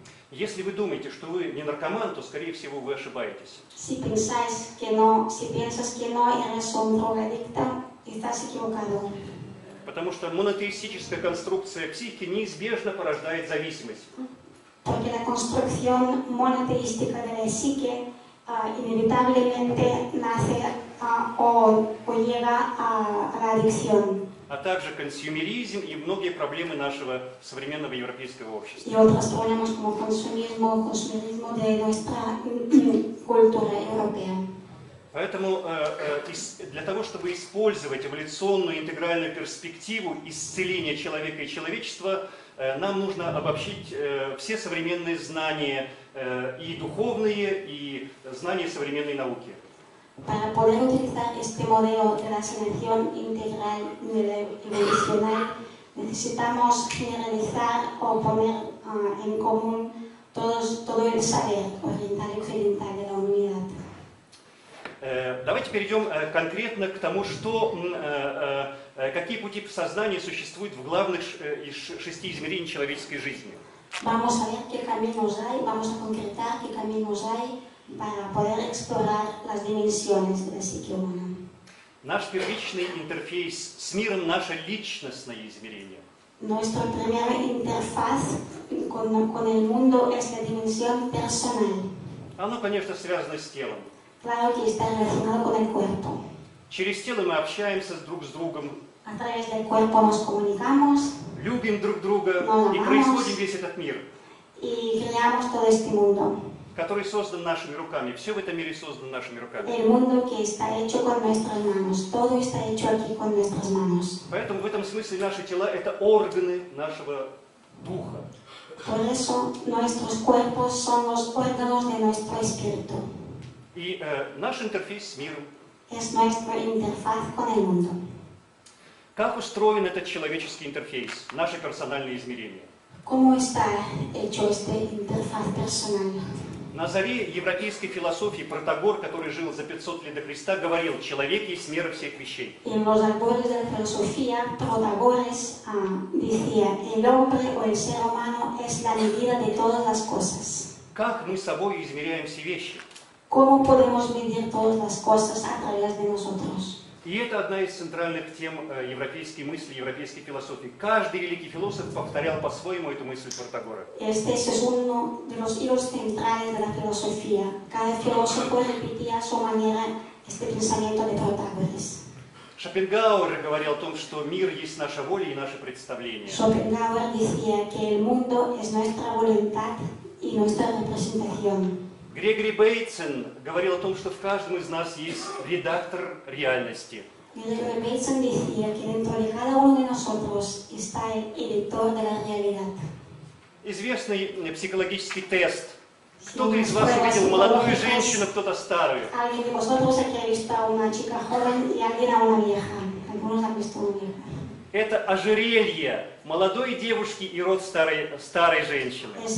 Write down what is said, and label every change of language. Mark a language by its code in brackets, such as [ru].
[ru] Если вы думаете, что вы не наркоман, то, скорее всего, вы ошибаетесь. [es] Si pensáis que no, si piensas que no, eres un drogadicto, estás equivocado. [ru] Потому что монотеистическая конструкция психики неизбежно порождает зависимость. [es] Porque la construcción monoteística de la psique inevitablemente nace o llega a la adicción. [ru] А также консюмеризм и многие проблемы нашего современного европейского общества. [es] И otras problemas como consumismo, consumerismo de nuestra cultura europea. [ru] Поэтому для того, чтобы использовать эволюционную интегральную перспективу исцеления человека и человечества, нам нужно обобщить все современные знания, и духовные, и знания современной науки. [es] Para poder utilizar este modelo de la sanación integral y evolucional, necesitamos generalizar o poner en común todo el saber oriental y occidental de la humanidad. [ru] Давайте перейдем конкретно к тому, что, какие пути сознания существуют в главных шести измерений человеческой жизни. [es] Vamos a ver qué caminos hay, vamos a concretar qué caminos hay. Para poder explorar las dimensiones de la psique humana. [ru] Наш первичный интерфейс с миром, наше личностное измерение. [es] Nuestra primera interfaz con el mundo es la dimensión personal. [ru] Оно, конечно, связано с телом. [es] Claro que está relacionado con el cuerpo. [ru] Через тело мы общаемся друг с другом. [es] A través del cuerpo nos comunicamos. [ru] Любим друг друга и производим весь этот мир. [es] И creamos todo este mundo. [ru] Который создан нашими руками. Все в этом мире создано нашими руками. [es] El mundo que está hecho con nuestras manos. Todo está hecho aquí con nuestras manos. [ru] Поэтому в этом смысле наши тела это органы нашего духа. [es] Por eso nuestros cuerpos son los órganos de nuestro espíritu. [ru] И наш интерфейс с миром. [es] Es nuestra interfaz con el mundo. [ru] Как устроен этот человеческий интерфейс, наши персональные измерения? [es] ¿Cómo está hecho este interfaz personal? [ru] На заре европейской философии Протагор, который жил за 500 лет до Христа, говорил: «Человек есть мера всех вещей». [es] Y en los albores de la filosofía, Protagoras decía: «El hombre o el ser humano es la medida de todas las cosas». [ru] Как мы собой измеряем все вещи? [es] ¿Cómo podemos medir todas las cosas a través de nosotros? [ru] И это одна из центральных тем европейской мысли, европейской философии. Каждый великий философ повторял по-своему эту мысль Протагора. [es] Este es uno de los hilos centrales de la filosofía. Cada filósofo repetía su manera este pensamiento de Protágoras. [ru] Шопенгауэр говорил о том, что мир есть наша воля и наши представления. [es] Шопенгауэр decía que el mundo es nuestra voluntad y nuestra representación. [ru] Грегори Бейтсон говорил о том, что в каждом из нас есть редактор реальности. [es] Грегори Бейтсон decía que dentro de cada uno de nosotros está el editor de la realidad. [ru] Известный психологический тест. Кто-то из вас увидел молодую женщину, кто-то старую. [es] Alguien de vosotros aquí ha visto a una chica joven y alguien a una vieja. Algunos han visto una vieja. [ru] Это ожерелье молодой девушки и рот старой женщины.